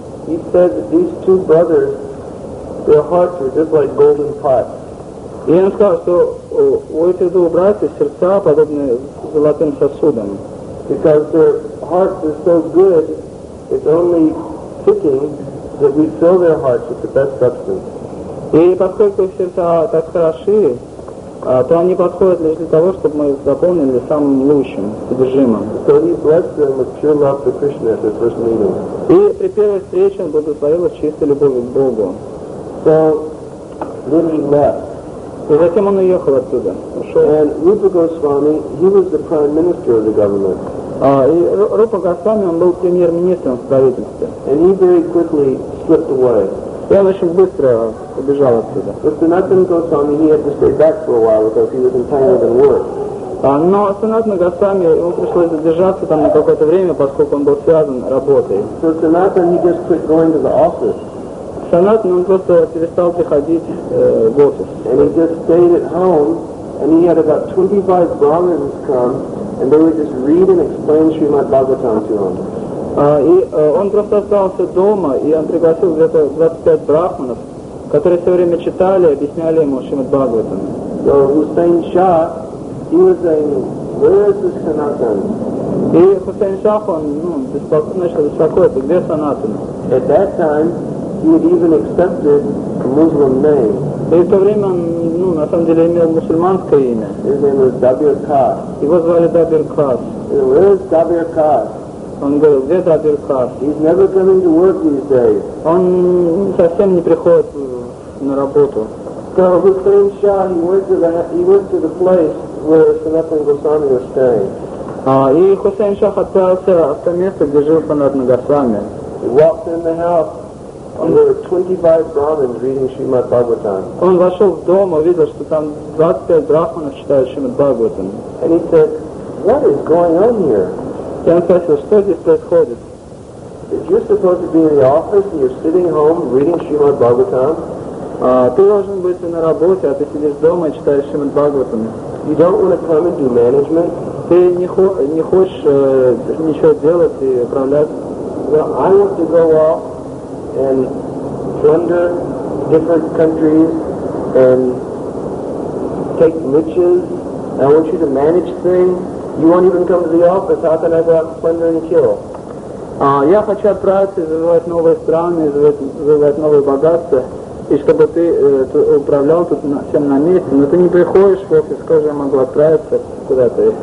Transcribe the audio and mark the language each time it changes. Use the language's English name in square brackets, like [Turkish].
[English] He said that these two brothers, their hearts were just like golden pots. [Russian] И он сказал, что у этих двух братьев сердца подобны золотым сосудам. [English] Because their hearts are so good, it's only fitting that we fill their hearts with the best substance. [Russian] И поскольку их сердца так хороши, то они подходят лишь для того, чтобы мы их заполнили самым лучшим содержимым. [English] So he blessed them with pure love to Krishna at their first meeting. [Russian] И при первой встрече он благословил их чистой любовью к Богу. [English] So, then he left. [Russian] И затем он уехал оттуда. [English] And Rupa Goswami, he was the prime minister of the government. [Russian] И Рупа Госвами, он был премьер-министром в правительстве. [English] And he very quickly slipped away. [Russian] И он очень быстро убежал оттуда. [English] But Sanatan Goswami, he had to stay back for a while because he was entangled in work. [Russian] Но Sanatan Goswami, ему пришлось задержаться там на какое-то время, поскольку он был связан работой. [English] So Sanatan, he just quit going to the office. [Russian] Sanatan, он просто перестал приходить в офис. [English] And he just stayed at home, and he had about 25 Brahmins come, and they would just read and explain Srimad Bhagavatam to him. [Russian] Он просто остался дома, и он пригласил где-то 25 Брахманов, которые все время читали и объясняли ему Шримад Бхагаватам. [English] So Hussein Shah, he was saying, "Where is this Sanatan?" [Russian] И Hussein Shah, он начал беспокоиться, где Sanatan? [English] At that time, he had even accepted a Muslim name. [Russian] И в то время он, ну, на самом деле, имел мусульманское имя. [English] His name was Dabir Khas. [Russian] Его звали Dabir Khas. [English] Where is Dabir Khas? [Russian] Он говорил, где Dabir Khas? [English] He's never coming to work these days. [Russian] Он совсем не приходит на работу. [English] So Hussein Shah, he went to the place where Sanatan Goswami was staying. [Russian] И Хусейн Шах отправился в то место, где жил Санат Нагасвами. [English] He walked in the house. There were 25 Brahmins reading Srimad Bhagavatam. [Russian] Он вошел в дом, увидел, что там 25 брахманов читают Шримад Бхагаватам. [English] And he said, "What is going on here?" [Russian] И он спросил, что здесь происходит? [English] If you're supposed to be in the office and you're sitting home reading Srimad Bhagavatam, [Russian] ты должен быть на работе, а ты сидишь дома и читаешь Шримад Бхагаватам. [English] You don't want to come and do management. [Russian] Ты не хочешь ничего делать и управлять? [English] Well, I want to go off and plunder different countries and take riches. I want you to manage things. You won't even come to the office. How can I go out and plunder and kill? [Russian] Я хочу отправиться, завоевать новые страны, завоевать новые богатства, и чтобы ты управлял тут всем на месте, но ты не приходишь в офис, скажи, я могу отправиться куда-то.